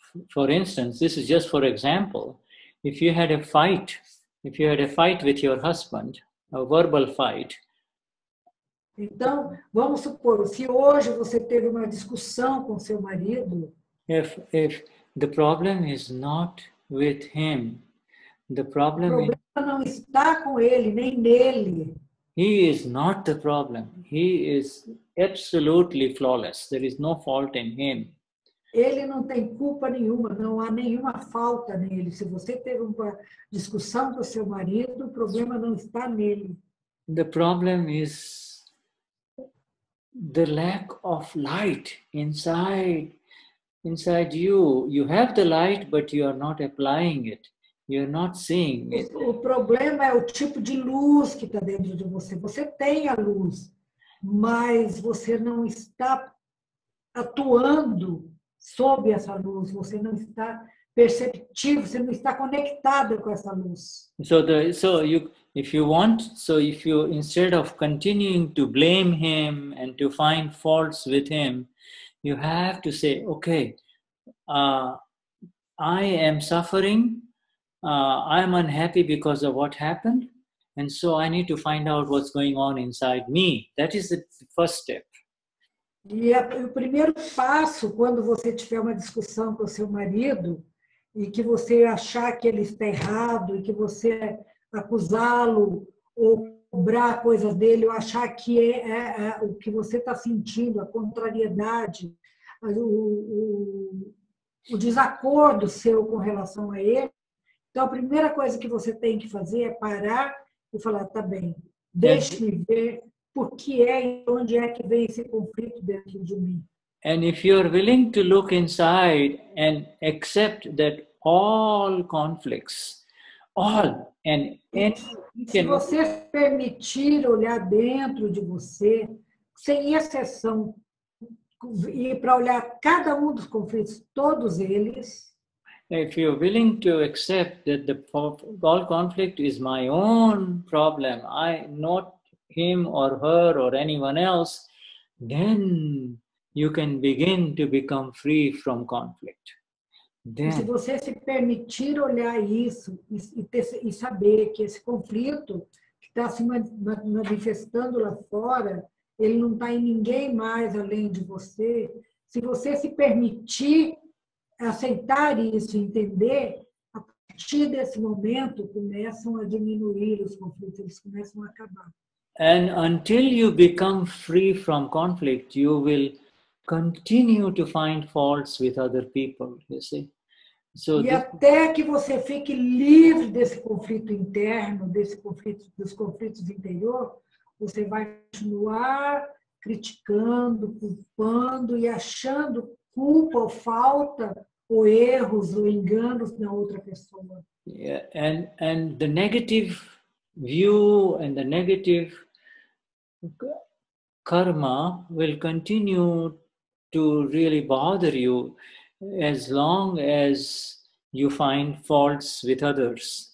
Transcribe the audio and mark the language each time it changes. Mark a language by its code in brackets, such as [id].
[en] For instance, this is just for example, if you had a fight with your husband, a verbal fight. [pt] Então, vamos supor, se hoje você teve uma discussão com seu marido. [en] If the problem is not with him, the problem [pt] is... O problema não está com ele, nem nele. [en] He is not the problem. He is absolutely flawless. There is no fault in him. [pt] Ele não tem culpa nenhuma, não há nenhuma falta nele. Se você ter uma discussão com seu marido, o problema não está nele. [en] The problem is the lack of light inside you. You have the light, but you are not applying it. You are not seeing it. [pt] O problema é o tipo de luz que está dentro de você. Você tem a luz, mas você não está atuando sob essa luz, você não está perceptivo, você não está conectado com essa luz. [en] So if you instead of continuing to blame him and to find faults with him, you have to say, okay, I am suffering, I am unhappy because of what happened, And so I need to find out what's going on inside me. That is the first step. [pt] E o primeiro passo, quando você tiver uma discussão com o seu marido e que você achar que ele está errado e que você acusá-lo ou cobrar coisas dele ou achar que é o que você está sentindo, a contrariedade, o desacordo seu com relação a ele, então a primeira coisa que você tem que fazer é parar e falar, tá bem, deixe-me ver por que é e onde é que vem esse conflito dentro de mim. [en] And if you're willing to look inside and accept that all conflicts, all and [pt] se você permitir olhar dentro de você, sem exceção, e para olhar cada dos conflitos, todos eles, [en] if you're willing to accept that the all conflict is my own problem, I not him or her or anyone else, then you can begin to become free from conflict. [pt] Then, se você se permitir olhar isso e saber que esse conflito que está se manifestando lá fora, ele não está em ninguém mais além de você, se você se permitir aceitar isso, entender, a partir desse momento começam a diminuir os conflitos, eles começam a acabar. [en] And until you become free from conflict, you will continue to find faults with other people, you see. [pt] So e até que você fique livre desse conflito interno, desse conflito, dos conflitos interior, você vai continuar criticando, culpando e achando culpa ou falta ou erros ou enganos na outra pessoa. [en] Yeah, and the negative view and the negative karma will continue to really bother you as long as you find faults with others.